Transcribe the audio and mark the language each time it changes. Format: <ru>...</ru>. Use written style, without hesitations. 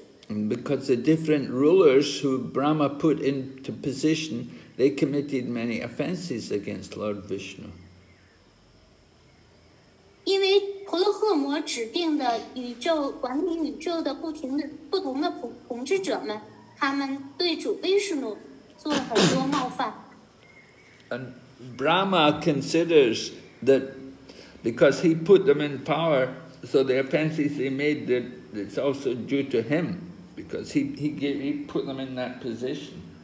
<en>And because the different rulers who Brahma put into position, they committed many offenses against Lord Vishnu.</en> <zh>因为婆罗赫摩指定的宇宙管理宇宙的不同的统治者们，他们对主威士努做了很多冒犯。</zh> <en>And Brahma considers that because he put them in power, so the offenses they made, that it's also due to him because he put them in that position.</en>